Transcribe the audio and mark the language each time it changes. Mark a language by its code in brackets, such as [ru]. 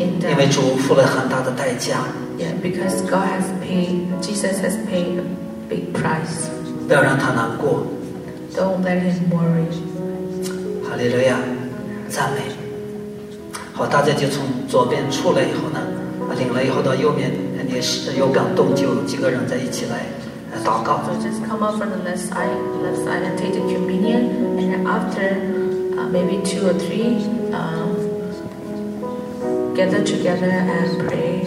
[zh] 因为主付了很大的代价。 [en] Yeah, because God has paid, Jesus has paid a big price. [zh] 不要让他难过。 [en] Don't let him worry. [zh] 哈利路亚，赞美。好，大家就从左边出来以后呢，领了以后到右边，你有感动，就几个人在一起来祷告。 [en] So just come up from the left side and take the communion, and after maybe two or three gather together and pray.